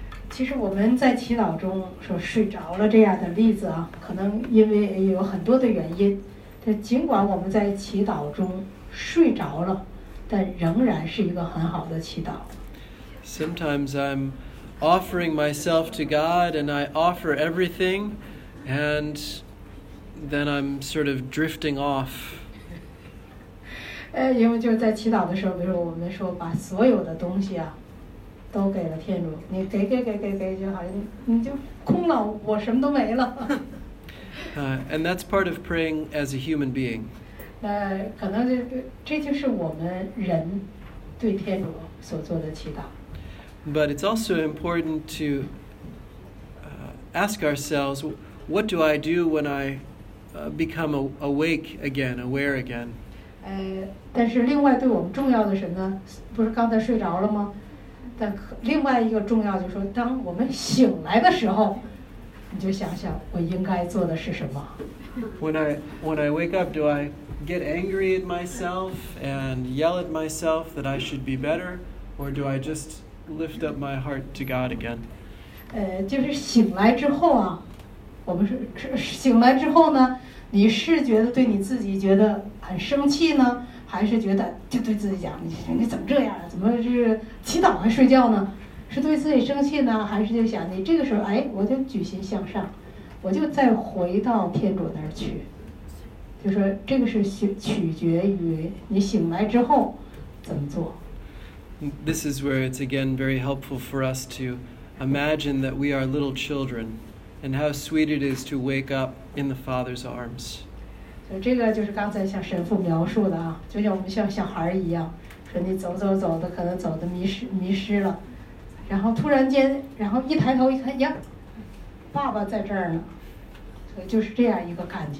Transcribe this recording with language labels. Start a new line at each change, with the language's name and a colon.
Chinese: 其实我们在祈祷中说睡着了这样的例子啊，可能因为也有很多的原因。但尽管我们在祈祷中睡着了，但仍然是一个很好的祈祷。
English: Sometimes I'm offering myself to God, and I offer everything. And then I'm sort of drifting off.
Chinese: 因为就是在祈祷的时候，比如我们说把所有的东西啊，都给了天主，你给，就好像你就空了，我什么都没了。
English: And that's part of praying as a human being.
Chinese: 那可能这就是我们人对天主所做的祈祷。
English: But it's also important to ask ourselves. What do I do when I become awake again, aware again?
Chinese: 但是另外对我们重要的什么呢？不是刚才睡着了吗？但另外一个重要就是说，当我们醒来的时候，你就想想我应该做的是什么。
English: When I wake up, do I get angry at myself and yell at myself that I should be better, or do I just lift up my heart to God again?
Chinese: 就是醒来之后啊。我们是醒来之后呢，你是觉得对你自己觉得很生气呢，还是觉得就对自己讲你怎么这样，怎么是祈祷还睡觉呢？是对自己生气呢，还是就想你这个时候，哎，我就举心向上，我就再回到天主那儿去，就说这个是取决于你醒来之后怎么做。
English: This is where it's again very helpful for us to imagine that we are little children, and how sweet it is to wake up in the Father's arms.
Chinese: 这个就是刚才像神父描述的啊，就像我们像小孩一样，说你走走走的，可能走的迷失了，然后突然间，然后一抬头一看，呀，爸爸在这儿呢，所以就是这样一个感觉。